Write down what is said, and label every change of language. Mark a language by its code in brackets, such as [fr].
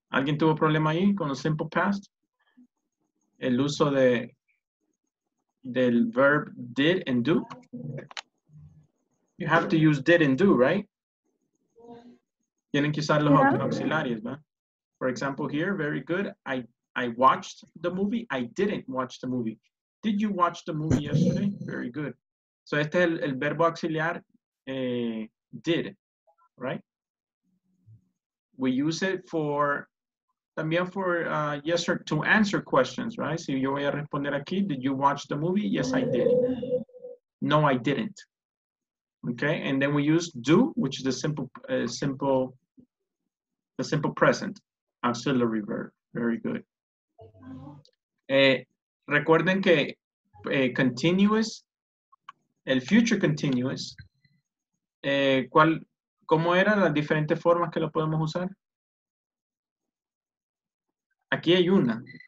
[es] ¿Alguien tuvo problema ahí con el simple past? El uso de del verb did and do. [en] You have to use did and do, right? [es] Tienen que usar los auxiliares, ¿verdad? [en] For example, here, very good. I watched the movie. I didn't watch the movie. Did you watch the movie yesterday? Very good. So [es] este es el verbo auxiliar [en] did, right? We use it for, también for yes or to answer questions, right? [es] Si yo voy a responder aquí, [en] did you watch the movie? Yes, I did. No, I didn't. Okay, and then we use do, which is the simple present auxiliary verb. Very good. [es] Recuerden que continuous, el future continuous, ¿cómo eran las diferentes formas que lo podemos usar? Aquí hay una.